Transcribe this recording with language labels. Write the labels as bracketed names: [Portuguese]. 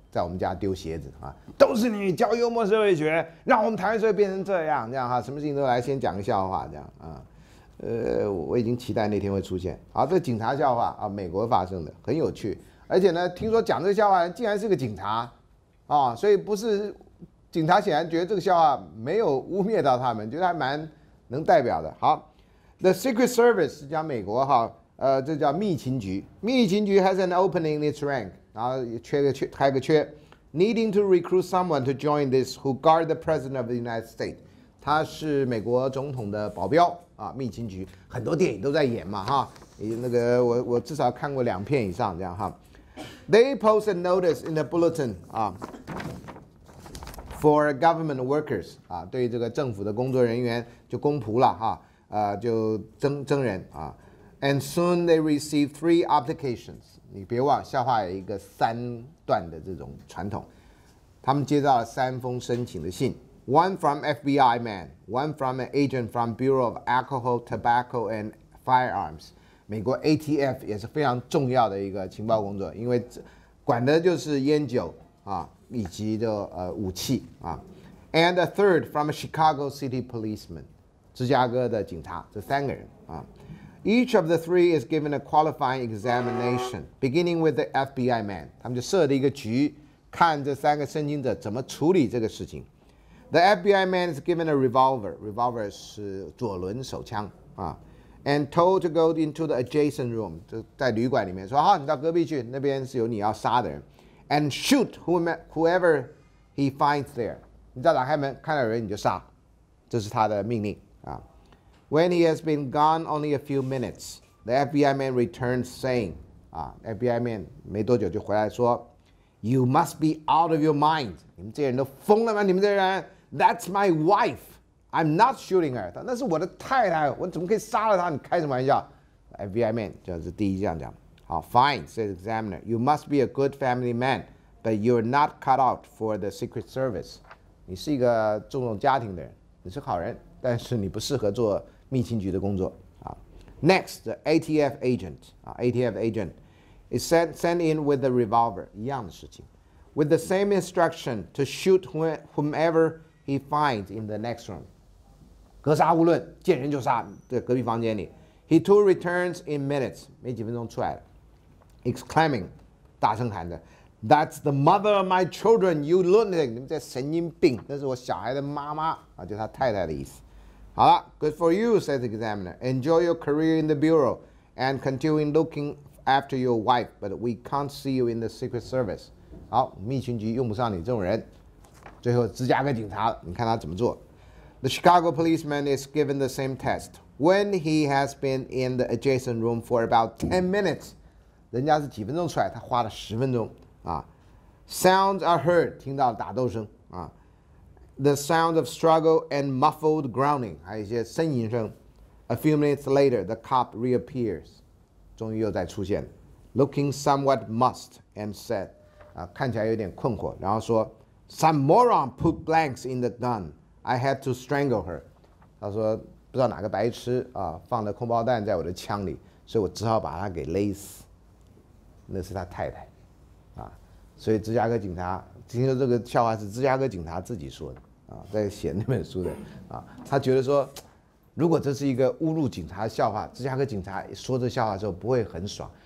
[Chinese] 在我们家丢鞋子啊，都是你教幽默社会学，让我们台湾社会变成这样，这样哈，什么事情都来先讲个笑话，这样啊，我已经期待那天会出现。好，这警察笑话啊，美国发生的，很有趣，而且呢，听说讲这个笑话竟然是个警察，啊，所以不是警察显然觉得这个笑话没有污蔑到他们，觉得还蛮能代表的。好 ，The Secret Service 是讲美国哈，这叫秘勤局，秘勤局 [English] has an opening in its rank。 [Chinese] 然后也缺个缺，开个缺 ， [English] needing to recruit someone to join this who guard the president of the United States， [Chinese] 他是美国总统的保镖啊，秘勤局，很多电影都在演嘛哈，那个我至少看过2片以上这样哈 ， [English] they post a notice in the bulletin [Chinese] 啊 ， [English] for government workers [Chinese] 啊，对这个政府的工作人员就公仆了哈，就征人啊 ， [English] and soon they receive 3 applications。 [Chinese] 你别忘，笑话有一个3段的这种传统。他们接到了3封申请的信 [English] ，one from FBI man， one from an agent from Bureau of Alcohol, Tobacco and Firearms。 [Chinese] 美国 ATF 也是非常重要的一个情报工作，因为管的就是烟酒啊，以及的武器啊。 [English] And a third from a Chicago City policeman， [Chinese] 芝加哥的警察，这3个人啊。 [English] Each of the 3 is given a qualifying examination, beginning with the FBI man. [Chinese] 他们就设了一个局，看这三个申请者怎么处理这个事情。 [English] The FBI man is given a revolver. Revolver [Chinese] 是左轮手枪啊 [English] ，and told to go into the adjacent room. [Chinese] 就在旅馆里面说，好，你到隔壁去，那边是有你要杀的人 ， [English] and shoot whoever he finds there. [Chinese] 你再打开门，看到人你就杀，这是他的命令啊。 [English] When he has been gone only a few minutes, the FBI man returns saying, FBI man [Chinese] 没多久就回来说 [English] ，You must be out of your mind. [Chinese] 你们这些人都疯了吗？你们这些人 ， [English] That's my wife. I'm not shooting her. [Chinese] 那是我的太太，我怎么可以杀了她？你开什么玩笑 ？FBI man 就是第一这样讲。 [English] 好 ，Fine, says examiner. You must be a good family man, but you're not cut out for the Secret Service. [Chinese] 你是一个注重家庭的人，你是好人。但是你不适合做秘勤局的工作啊。 [English] Next, the ATF agent, ATF agent is sent in with the revolver, [Chinese] 一样的事情 [English] with the same instruction to shoot whomever he finds in the next room. [Chinese] 格杀勿论，见人就杀，在隔壁房间里。 [English] He too returns in minutes, [Chinese] 没几分钟出来了 exclaiming, 大声喊着 [English] That's the mother of my children, you lunatic, [Chinese] 你们这神经病，那是我小孩的妈妈啊，就是他太太的意思。 [English] 好了 ，Good for you, says the examiner. Enjoy your career in the bureau and continuing looking after your wife. But we can't see you in the Secret Service. [Chinese] 好，秘勤局用不上你这种人。最后，芝加哥警察，你看他怎么做 [English] ？The Chicago policeman is given the same test. When he has been in the adjacent room for about 10 minutes, [Chinese] 人家是几分钟出来，他花了10分钟啊。 [English] Sounds are heard, [Chinese] 听到打斗声啊。 [English] The sound of struggle and muffled groaning, [Chinese] 还有一些呻吟声 [English] A few minutes later, the cop reappears. [Chinese] 终于又再出现了。 [English] Looking somewhat mussed and said, [Chinese] 看起来有点困惑，然后说 [English] Some moron put blanks in the gun. I had to strangle her. [Chinese] 他说不知道哪个白痴啊放了空包弹在我的枪里，所以我只好把他给勒死。那是他太太，啊，所以芝加哥警察听说这个笑话是芝加哥警察自己说的啊，在写那本书的啊，他觉得说，如果这是一个侮辱警察的笑话，芝加哥警察说这笑话的时候不会很爽。